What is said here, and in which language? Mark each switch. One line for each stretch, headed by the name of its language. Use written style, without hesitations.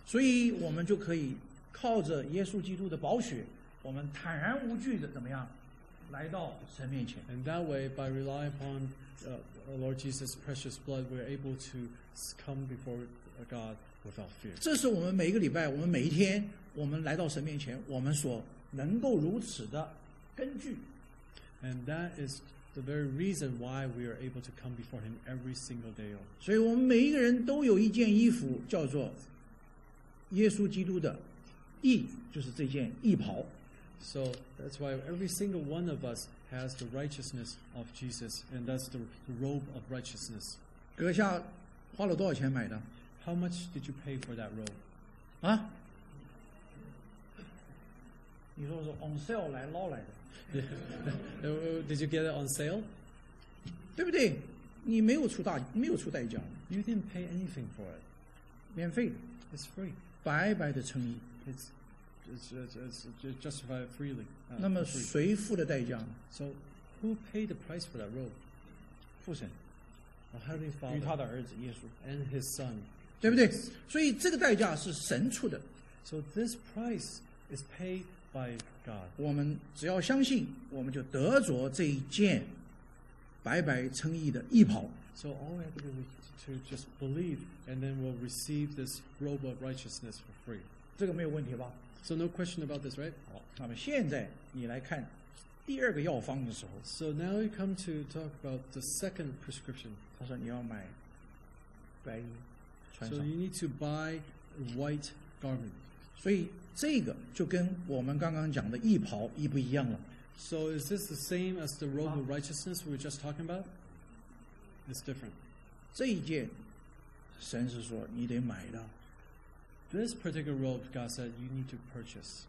Chinese: 所以我们就可以靠着耶稣基督的宝血，我们坦然无惧的怎么样？来到神面前。
English: And that way, by relying upon Lord Jesus' precious blood, we're able to come before God without fear.
Chinese: 这是我们每一个礼拜，我们每一天，我们来到神面前，我们所能够如此的根据。
English: And that is the very reason why we are able to come before Him every single day.
Chinese: 所以我们每一个人都有一件衣服，叫做耶稣基督的义，就是这件义袍。
English: So that's why every single one of us has the righteousness of Jesus, and that's the robe of righteousness.
Chinese: 阁下花了多少钱买的？
English: How much did you pay for that robe? 啊？
Chinese: 你说是
English: on sale
Chinese: 来捞来的。
English: Did you get it on sale?
Chinese: 对不对？你没有出大，没有出代价。
English: You didn't pay anything for it.
Chinese: 免费。
English: It's free.
Chinese: 白白的称义。
English: It's it's justified freely.
Chinese: 那么谁付的代价呢？
English: So who paid the price for that robe?
Chinese: 父神。
English: Our Heavenly Father.
Chinese: 与他的儿子耶稣。
English: And his son.
Chinese: 对不对？所以这个代价是神出的。
English: So this price is paid by God.
Chinese: 我们只要相信，我们就得着这一件白白称义的义袍。
English: So all we have to do is to just believe, and then we'll receive this robe of righteousness for free.
Chinese: 这个没有问题吧？
English: So no question about this, right?
Chinese: 好，那么现在你来看第二个药方的时候。
English: So now we come to talk about the second prescription.
Chinese: 他说你要买白衣穿上。
English: So you need to buy a white garment.
Chinese: 所以这个就跟我们刚刚讲的义袍一不一样了。
English: So is this the same as the robe of righteousness we were just talking about? It's different.
Chinese: 这一件神是说你得买的。
English: This particular robe, God said, you need to purchase.